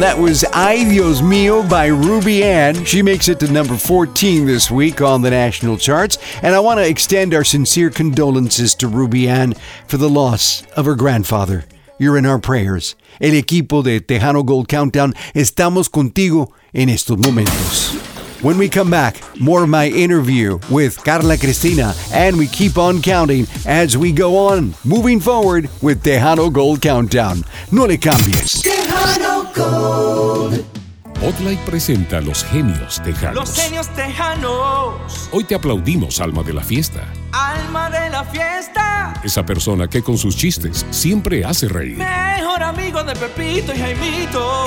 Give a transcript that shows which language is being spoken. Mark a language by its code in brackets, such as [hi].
[en] That was Ay Dios Mio by Ruby Ann. She makes it to number 14 this week on the national charts. And I want to extend our sincere condolences to Ruby Ann for the loss of her grandfather. You're in our prayers. [es] El equipo de Tejano Gold Countdown, estamos contigo en estos momentos. [en] When we come back, more of my interview with Carla Cristina, and we keep on counting as we go on, moving forward with Tejano Gold Countdown. [es] No le cambies. [en] Tejano Gold. [es] Bud Light presenta los genios tejanos. Los genios tejanos. Hoy te aplaudimos, alma de la fiesta. Alma de la fiesta. Esa persona que con sus chistes siempre hace reír. Mejor amigo de Pepito y Jaimito.